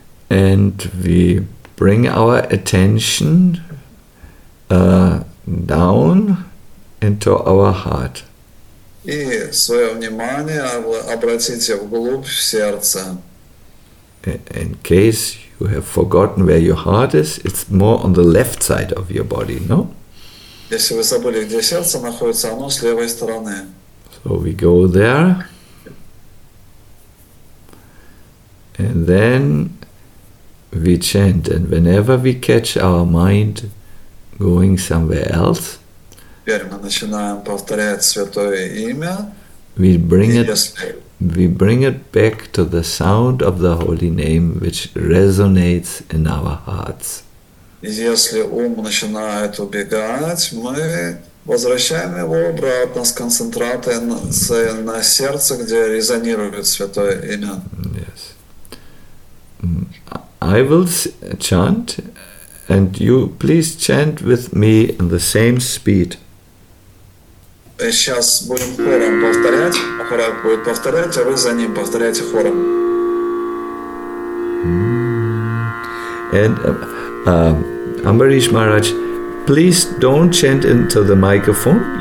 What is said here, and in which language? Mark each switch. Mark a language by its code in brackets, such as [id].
[en] And we bring our attention down into our heart. [ru] И свое внимание обратите вглубь сердца. [en] In case you have forgotten where your heart is, it's more on the left side of your body, no? [ru] Если вы забыли, где сердце находится, оно с левой стороны. [en] So we go there, and then we chant, and whenever we catch our mind going somewhere else, [ru] теперь мы начинаем повторять Святое Имя, [en] we bring it back to the sound of the Holy Name, which resonates in our hearts. [ru] если ум начинает убегать, мы возвращаем его обратно с концентрацией на сердце, где резонирует святое имя. [en] Yes. I will chant, and you please chant with me in the same speed. [ru] Сейчас будем хором повторять, хора будет повторять, а вы за ним повторяете хором. [en] And Amrish Maharaj, please don't chant into the microphone.